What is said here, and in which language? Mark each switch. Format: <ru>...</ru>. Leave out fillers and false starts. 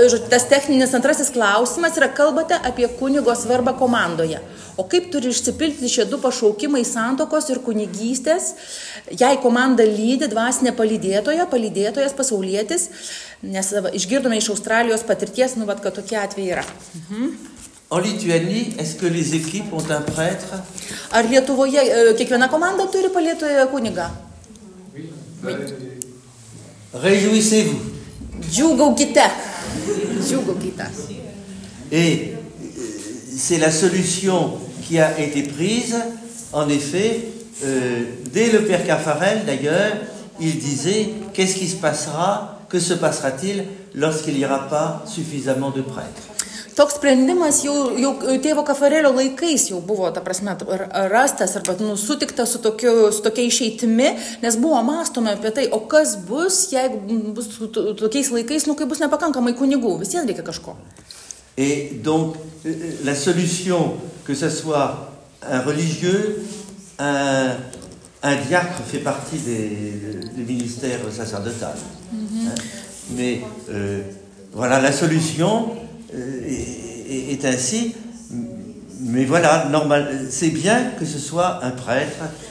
<lt>Tas techninis antrasis klausimas yra, kalbate apie kunigo svarbą komandoje. O kaip turi išsipilti šie du pašaukimai santokos ir kunigystės, jei komanda lydi dvasinė palydėtojas, pasaulietis, nes išgirdome iš Australijos patirties, nu, vat, kad tokie atvejai yra.</lt> <fr>En Lituanie, est-ce que les équipes ont un prêtre?</fr> <lt>Ar Lietuvoje kiekviena komanda turi palydėtoją kunigą?</lt> <fr>Oui. Réjouissez-vous. Djougoukita. Et c'est la solution qui a été prise, en effet, dès le père Caffarel, d'ailleurs, il disait, qu'est-ce qui se passera, que se passera-t-il lorsqu'il n'y aura pas suffisamment de prêtres?</fr> <lt>Toks sprendimas jau tėvo Kafarelio laikais jau buvo, ta prasme, rastas arba sutiktas su tokia išeitimi, nes buvo mąstoma apie tai, o kas bus, jeigu bus tokiais laikais, nu, kai bus nepakankamai kunigų, visiems reikia kažko.</lt> <fr>Et donc, la solution, que ce soit un religieux, un diacre fait partie des ministères sacerdotales. Mm-hmm. Mais, voilà, la solution... est ainsi, mais voilà, normal, c'est bien que ce soit un prêtre</fr>